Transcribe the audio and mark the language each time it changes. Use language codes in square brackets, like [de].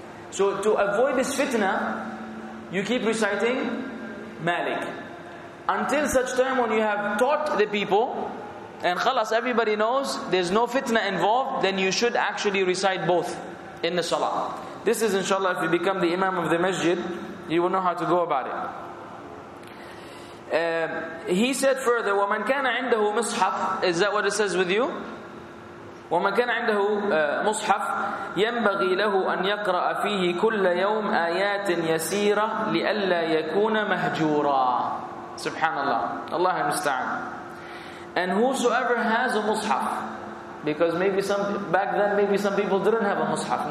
[en] So to avoid this fitna, you keep reciting Malik. Until such time when you have taught the people, and khalas, everybody knows, there's no fitna involved, then you should actually recite both in the salah. This is, inshallah, if you become the imam of the masjid, you will know how to go about it. He said further, [ar] وَمَنْ كَانَ عِنْدَهُ مُصْحَفٍ. [en] Is that what it says with you? [ar] وَمَنْ كَانَ عِنْدَهُ مُصْحَفٍ يَنْبَغِي لَهُ أَنْ يَقْرَأَ فِيهِ كُلَّ يَوْمْ آيَاتٍ يَسِيرَةٍ لِأَلَّا يَكُونَ مَهْجُورًا. Subhanallah. [en] Allah المستعان. And whosoever has a mushaf, because maybe some people didn't have a mushaf.